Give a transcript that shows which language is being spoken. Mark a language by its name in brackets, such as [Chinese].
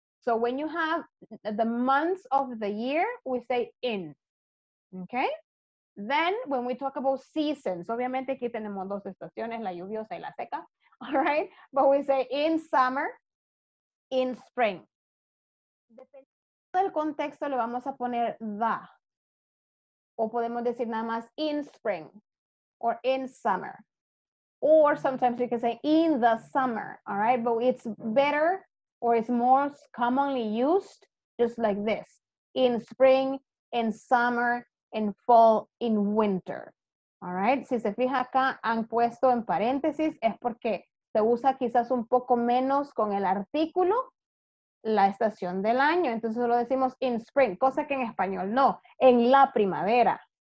[English] So when you have the months of the year, we say in, okay? Then when we talk about seasons, [Spanish] obviamente aquí tenemos dos estaciones, la lluviosa y la seca. [English] All right, but we say in summer, in spring. [Spanish] Dependiendo del contexto, le vamos a poner the. O podemos decir nada más [English] in spring, or in summer. Or sometimes you can say in the summer, all right? But it's better, or it's more commonly used, just like this. In spring, in summer, in fall, in winter. All right, [Spanish] si se fija acá, han puesto en paréntesis, es porque se usa quizás un poco menos con el artículo, la estación del año. Entonces lo decimos [English] in spring, [Spanish] cosa que en español no, en la primavera.